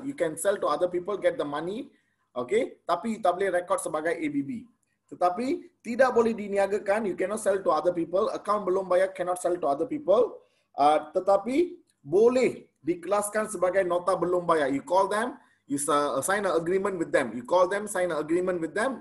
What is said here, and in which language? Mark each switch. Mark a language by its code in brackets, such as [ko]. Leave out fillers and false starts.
[en] You can sell to other people, get the money. Okay. [ms] Tapi you tak boleh rekod sebagai ABB. Tetapi tidak boleh diniagakan, you cannot sell to other people. Account belum bayar, cannot sell to other people. Tetapi boleh dikelaskan sebagai nota belum bayar. [en] You call them, you sign an agreement with them. You call them, sign an agreement with them.